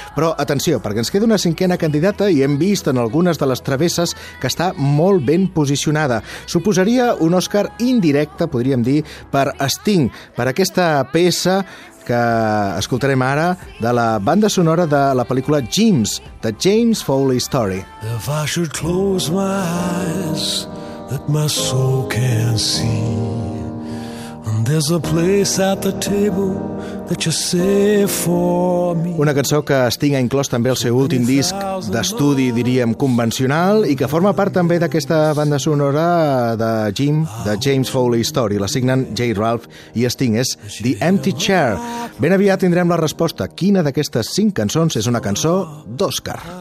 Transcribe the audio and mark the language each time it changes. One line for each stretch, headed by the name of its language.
Catalan: Però atenció, perquè ens queda una cinquena candidata i hem vist en algunes de les travesses que està molt ben posicionada. Suposaria un Oscar indirecte, podríem dir, per Sting, per aquesta peça que escoltarem ara de la banda sonora de la pel·lícula James, de James Foley Story.
English: If I should close my eyes that my soul can see, and there's a place at the table that you say for me.
Catalan: Una cançó que Sting ha inclòs també el seu últim disc d'estudi, diríem, convencional, i que forma part també d'aquesta banda sonora de Jim, de James Foley Story. La signen J. Ralph i Sting. És The Empty Chair. Ben aviat tindrem la resposta. Quina d'aquestes 5 cançons és una cançó d'Oscar?